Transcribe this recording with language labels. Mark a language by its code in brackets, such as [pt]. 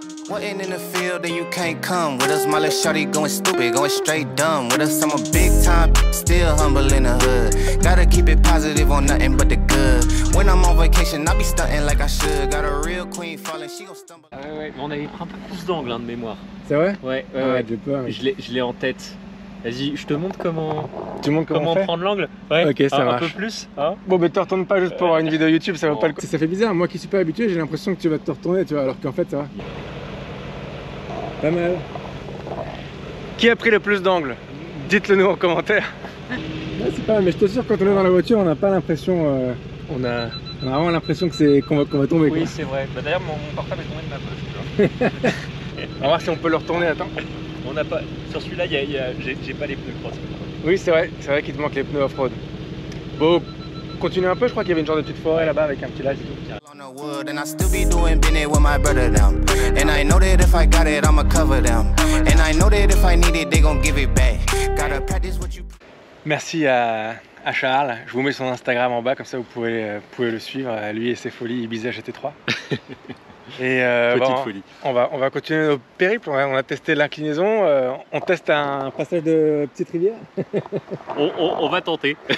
[en] Waiting in the field and you can't come with us. Molly shorty going stupid, going straight dumb with us. I'm a big time, still humble in the hood. Gotta keep it positive on nothing but the good. When I'm on vacation, I be stunting like I should. Got a real queen falling, she gonna stumble. [fr] Ah ouais, ouais. On avait pris un peu plus d'angle, hein, de mémoire. C'est vrai? Ouais, ouais, ouais. Ah, j'ai peur, mais... je l'ai en tête. Vas-y, je te montre comment. Tu montres comment prendre l'angle. Ouais, ok, ça marche. Un peu plus. Hein, bon, mais te retourne pas juste pour avoir une vidéo YouTube, ça va pas le coup. Ça fait bizarre, moi qui suis pas habitué, j'ai l'impression que tu vas te retourner, tu vois, alors qu'en fait, ça va. Pas mal. Qui a pris le plus d'angle? Dites-le nous en commentaire. Ouais, c'est pas mal, mais je te jure, quand on est dans la voiture, on n'a pas l'impression. On a vraiment l'impression que c'est qu'on va tomber. Oui, quoi. C'est vrai. Bah, d'ailleurs, mon portable est tombé de ma poche. On va voir si on peut le retourner. Attends. On n'a pas. Sur celui-là, j'ai pas les pneus cross. Oui, c'est vrai qu'il te manque les pneus off-road. Bon, continue un peu. Je crois qu'il y avait une genre de petite forêt là-bas avec un petit lac et tout. [en] Wood, and I still be doing business with my brother them. And I know that if I got it, I'ma cover them. And I know that if I need it, they gon' give it back. Gotta practice what you. [fr] Merci à Charles. Je vous mets son Instagram en bas, comme ça vous pouvez le suivre. Lui et ses folies, Ibiza GT3. Petite folie. On va continuer nos périples. On a testé l'inclinaison. On teste un passage de petite rivière. on va tenter.